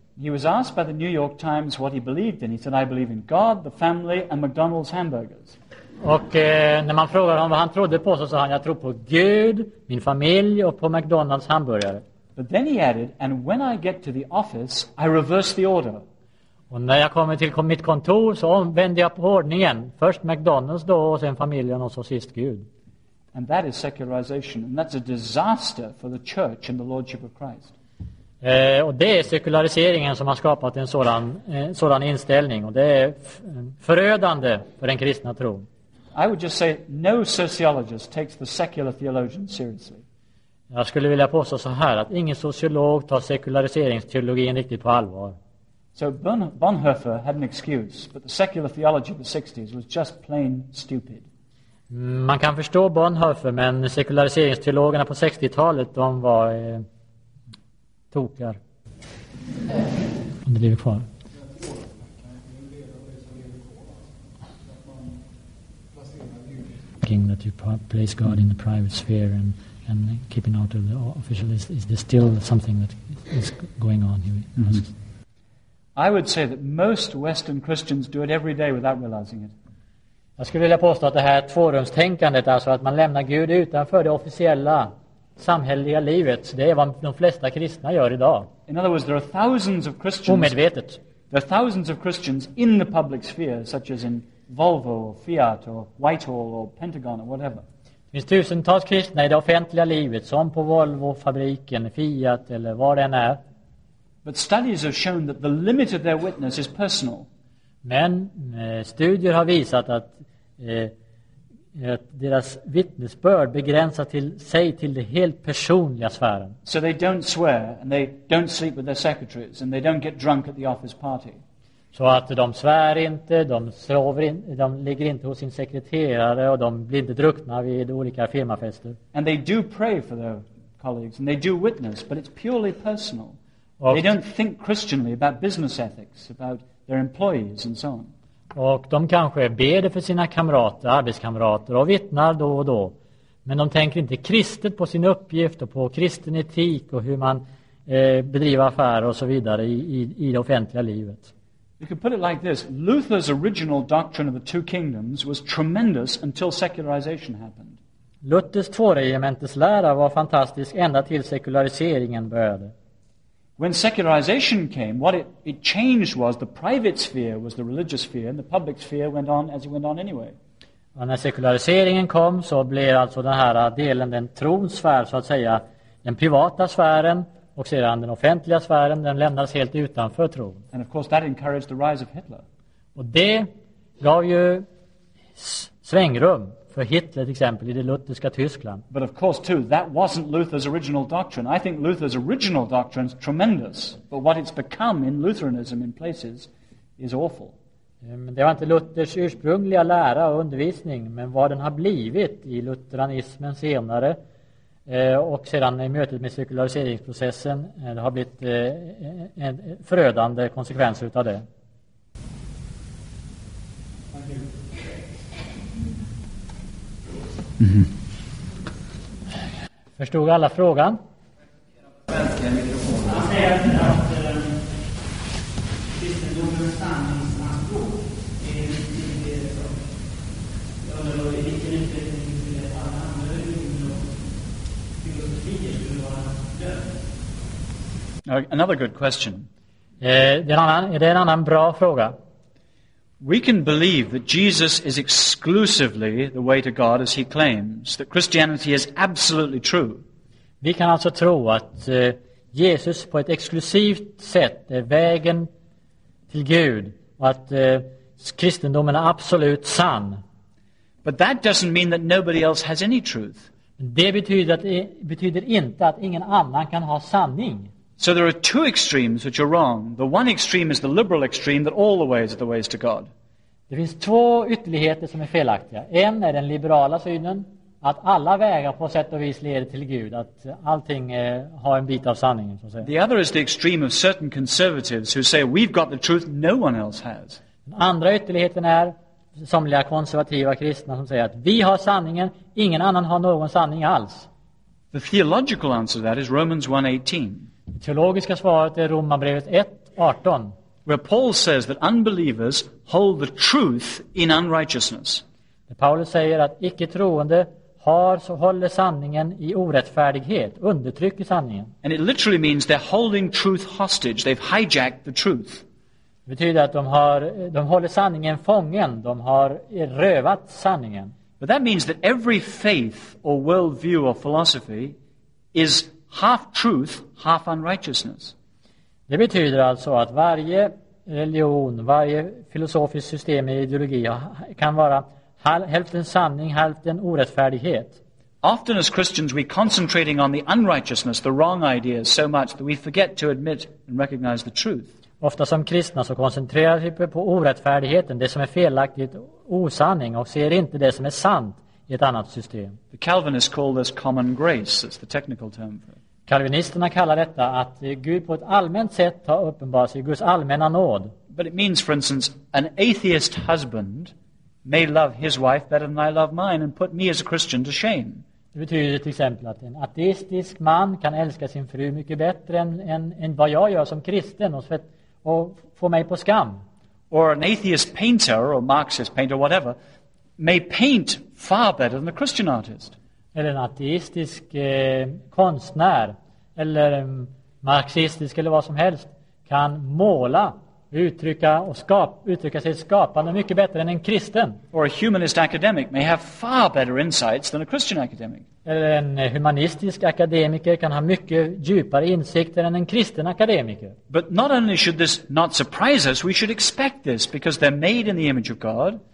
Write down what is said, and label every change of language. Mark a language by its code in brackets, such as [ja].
[en] He was asked by the New York Times what he believed in. He said, I believe in God, the family and McDonald's hamburgers. [sv] Och när man frågar honom vad han trodde på, så sa han, jag tror på Gud, min familj och på McDonald's hamburgare. [en] But then he added, and when I get to the office, I reverse the order. [sv] Och när jag kommer till mitt kontor så vänder jag på ordningen. Först McDonald's då, och sen familjen och så sist Gud. [en] And that is secularization, and that's a disaster for the church and the Lordship of Christ. [sv] Och det är sekulariseringen som har skapat en sådan inställning, och det är förödande för den kristna tron. [en] I would just say no sociologist takes the secular theologian seriously. [sv] Jag skulle vilja påstå så här, att ingen sociolog tar sekulariseringsteologin riktigt på allvar. [en] So Bonhoeffer had an excuse, but the secular theology of the 60s was just plain stupid. [sv] Man kan förstå Bonhoeffer, men sekulariseringsteologerna på 60-talet, de var tokar. Om det lever kvar. [en] Thinking that you place God in the private sphere and keeping out of the official, is there still something that is going on here? I would say that most Western Christians do it every day without realizing it. [sv] Jag skulle vilja påstå att det här tvårumstänkandet, alltså att man lämnar Gud utanför det officiella samhälleliga livet, det är vad de flesta kristna gör idag. [en] In other words, there are thousands of Christians. [sv] Omedvetet. [en] There are thousands of Christians in the public sphere, such as in Volvo or Fiat or Whitehall or Pentagon or whatever. [sv] Det finns tusentals kristna i det offentliga livet, som på Volvo-fabriken, Fiat eller vad det än är. [en] But studies have shown that the limit of their witness is personal. [sv] Men studier har visat att, att deras vittnesbörd begränsas till sig, till det helt personliga sfären. [en] So they don't swear and they don't sleep with their secretaries and they don't get drunk at the office party. [sv] Så att de svär inte, de sover inte, de ligger inte hos sin sekreterare och de blir inte druckna vid olika firmafester. [en] And they do pray for their colleagues and they do witness, but it's purely personal. They don't think Christianly about business ethics, about their employees and so on. [sv] Och de kanske ber för sina kamrater, arbetskamrater, och vittnar då och då. Men de tänker inte kristet på sin uppgift och på kristen etik och hur man bedriver affärer och så vidare i det offentliga livet. [en] You could put it like this: Luther's original doctrine of the two kingdoms was tremendous until secularization happened. [sv] Luthers tvåregimentets lära var fantastisk ända till sekulariseringen började. [en] When secularization came, what it changed was the private sphere was the religious sphere, and the public sphere went on as it went on anyway. [sv] Och när sekulariseringen kom, så blev alltså den här delen, den tronsfär så att säga, den privata sfären, och sedan den offentliga sfären, den lämnades helt utanför tron. [en] And of course that encouraged the rise of Hitler. [sv] Och det gav ju svängrum för Hitler, till exempel, i det lutherska Tyskland. [en] But of course too, that wasn't Luther's original doctrine. I think Luther's original doctrine is tremendous, but what it's become in Lutheranism in places is awful. [sv] Men det var inte Luthers ursprungliga lära och undervisning, men vad den har blivit i lutheranismen senare och sedan i mötet med sekulariseringsprocessen, det har blivit en förödande konsekvens utav det. [en] Thank you. Mm-hmm. [sv] Förstod alla frågan? [en] Another good question. [sv] Det är en annan bra fråga. [en] We can believe that Jesus is exclusively the way to God as he claims, that Christianity is absolutely true. [sv] Vi kan alltså tro att Jesus på ett exklusivt sätt är vägen till Gud och att kristendomen är absolut sann. [en] But that doesn't mean that nobody else has any truth. [sv] Det betyder inte att ingen annan kan ha sanning. [en] So there are two extremes which are wrong. The one extreme is the liberal extreme that all the ways are the ways to God. [sv] Det finns två ytterligheter som är felaktiga. En är den liberala synen, att alla vägar på sätt och vis leder till Gud, att allting har en bit av sanningen, så att säga. [en] The other is the extreme of certain conservatives who say we've got the truth no one else has. [sv] Den andra ytterligheten är somliga konservativa kristna som säger att vi har sanningen, ingen annan har någon sanning alls. [en] The theological answer to that is Romans 1:18. [sv] Det teologiska svaret är Romarbrevet 1:18. [en] Where Paul says that unbelievers hold the truth in unrighteousness. [sv] Paulus säger att icke-troende håller sanningen i orättfärdighet, undertrycker sanningen. [en] And it literally means they're holding truth hostage. They've hijacked the truth. [sv] Det betyder att de håller sanningen fången. De har rövat sanningen. [en] But that means that every faith or worldview or philosophy is half truth, half unrighteousness. [sv] Det betyder alltså att varje religion, varje filosofiskt system eller ideologi kan vara hälften sanning, hälften orättfärdighet. [en] Often as Christians we concentrating on the unrighteousness, the wrong ideas so much that we forget to admit and recognize the truth. [sv] Ofta som kristna så koncentrerar vi på orättfärdigheten, det som är felaktigt, osanning, och ser inte det som är sant i ett annat system. [en] The Calvinists call this common grace, that's the technical term for it. [sv] Calvinisterna kallar detta att Gud på ett allmänt sätt har uppenbarat sig, Guds allmänna nåd. [en] But it means, for instance, an atheist husband may love his wife better than I love mine and put me as a Christian to shame. [sv] Det betyder till exempel att en ateistisk man kan älska sin fru mycket bättre än vad jag gör som kristen och få mig på skam. [en] Or an atheist painter or Marxist painter whatever may paint far better than a Christian artist. [sv] Eller en ateistisk konstnär eller marxistisk eller vad som helst kan måla, uttrycka sig skapande mycket bättre än en kristen. [en] Or a humanist academic may have far better insights than a Christian academic. [sv] Eller en humanistisk akademiker kan ha mycket djupare insikter än en kristen akademiker. [en] But not only should this not surprise us, we should expect this because they're made in the image of God.